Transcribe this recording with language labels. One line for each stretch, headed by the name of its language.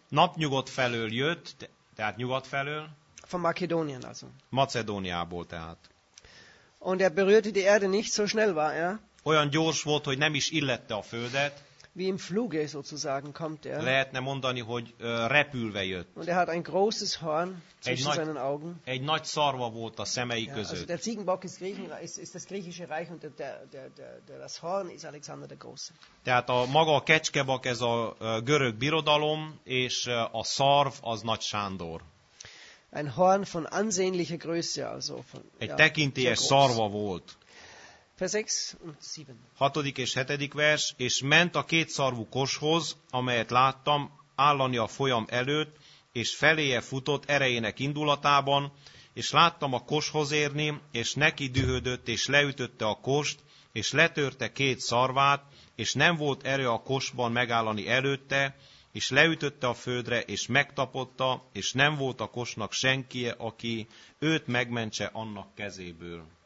Hungarian: Napnyugat felől jött, tehát nyugat felől.
German: Von Makedonien also.
Hungarian: Macedóniából tehát.
German: Und er berührte die Erde nicht, so schnell war er.
Hungarian: Olyan gyors volt, hogy nem is illette a földet.
German: Wie im Fluge sozusagen kommt er.
Hungarian: Lehetne mondani, hogy repülve jött.
German: Und er hat ein großes Horn zwischen seinen Augen.
Hungarian: Egy nagy szarva volt a szemei között.
German: Also der Ziegenbock ist das griechische Reich und das Horn ist Alexander der Große.
Hungarian: Tehát a maga a kecskebak, ez a görög birodalom, és a szarv az Nagy Sándor.
German: Ein Horn von ansehnlicher Größe also von.
Hungarian: Egy tekintélyes szarva volt. 6. és 7. vers, és ment a kétszarvú koshoz, amelyet láttam állani a folyam előtt, és feléje futott erejének indulatában, és láttam a koshoz érni, és neki dühödött, és leütötte a kost, és letörte két szarvát, és nem volt erő a kosban megállani előtte, és leütötte a földre, és megtapotta, és nem volt a kosnak senkije, aki őt megmentse annak kezéből.